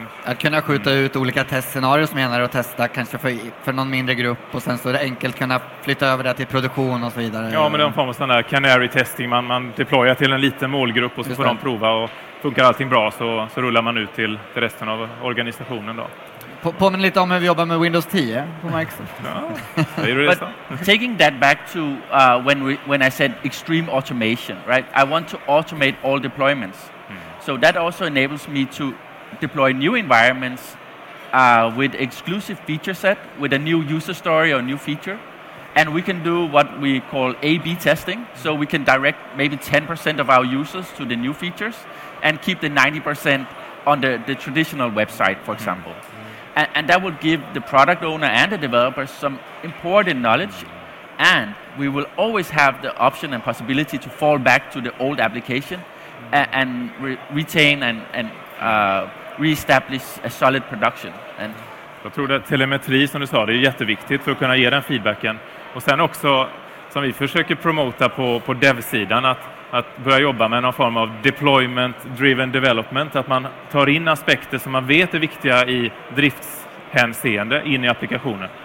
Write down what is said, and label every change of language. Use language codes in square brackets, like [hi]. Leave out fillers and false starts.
[sv] att kunna skjuta ut olika testscenarier som menar och testa kanske för någon mindre grupp, och sen så är det enkelt kunna flytta över det till produktion och så vidare. Ja, men de får man sådana här canary testing. Man deployar till en liten målgrupp och så får de prova, och funkar allting bra så rullar man ut till resten av organisationen då. Påminner lite om hur vi jobbar med Windows 10 på Microsoft. [en] But taking that back to when I said extreme automation, right? I want to automate all deployments. So that also enables me to deploy new environments with exclusive feature set, with a new user story or new feature. And we can do what we call A-B testing. So we can direct maybe 10% of our users to the new features and keep the 90% on the traditional website, for example. And that would give the product owner and the developers some important knowledge. And we will always have the option and possibility to fall back to the old application and retain and reestablish a solid production. And [sv] jag tror att telemetri, som du sa, det är jätteviktigt för att kunna ge den feedbacken. Och sen också, som vi försöker promota på dev-sidan, att börja jobba med någon form av deployment-driven development, att man tar in aspekter som man vet är viktiga i driftshänseende in i applikationen.